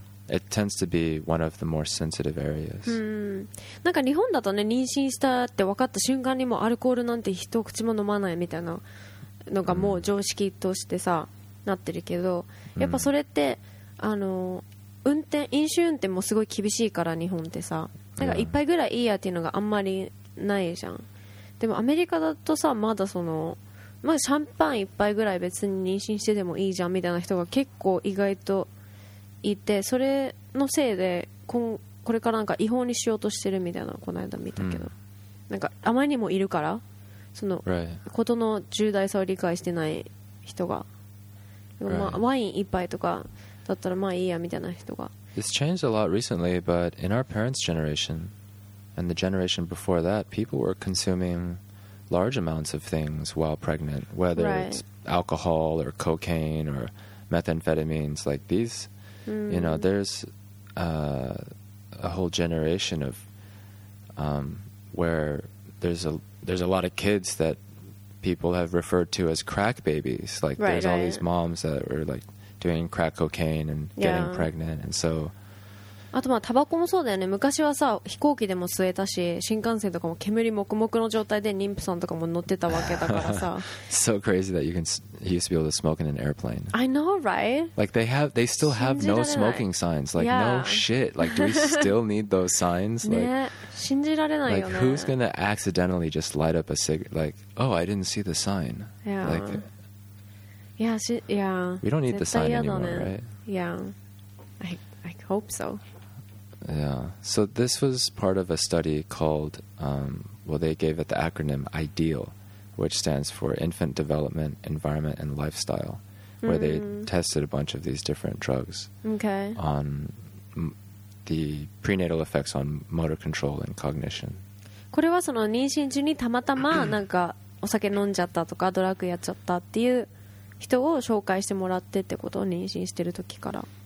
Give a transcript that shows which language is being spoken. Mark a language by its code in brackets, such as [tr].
[en] It tends to be one of the more sensitive areas. [ja] なんか日本だとね、妊娠したって分かった瞬間にもアルコールなんて一口も飲まないみたいなのがもう常識としてさ、なってるけど、やっぱそれって、あの、飲酒運転もすごい厳しいから日本ってさ、なんか一杯ぐらいいいやっていうのがあんまりないじゃん。でもアメリカだとさ、まだその、まあ、シャンパン一杯ぐらい別に妊娠してでもいいじゃんみたいな人が結構意外といて、それのせいで これからなんか違法にしようとしてるみたいな、この間見たけど、なんかあまりにもいるからそのことの重大さを理解してない人が、まあ、ワイン一杯とかだったらまあいいやみたいな人が。 [en] It's changed a lot recently, but in our parents' generation and the generation before that, people were consuminglarge amounts of things while pregnant, whether it's alcohol or cocaine or methamphetamines, like these, you know, there's a whole generation of where there's a lot of kids that people have referred to as crack babies. Like all these moms that are like doing crack cocaine and getting pregnant, and so. [ja] あとまあタバコもそうだよね。昔はさ、飛行機でも吸えたし、新幹線とかも煙もくもくの状態で妊婦さんとかも乗ってたわけだからさ。 [en] So crazy that you used to be able to smoke in an airplane. I know, right? Like they still have no smoking signs. Like no shit. Like do we still need those signs? [ja] ね、信じられないよね。 [en] Like who's gonna accidentally just light up a cigarette? Like oh, I didn't see the sign. Yeah. Like, yeah, We don't need the sign anymore, right? Yeah. I hope so. Yeah. So this was part of a study called, they gave it the acronym IDEAL, which stands for Infant Development, Environment, and Lifestyle, where they tested a bunch of these different drugs on the prenatal effects on motor control and cognition. [ja] これはその妊娠中にたまたまなんかお酒飲んじゃったとかドラッグやっちゃったっていう人を紹介してもらってってことを妊娠してる時から。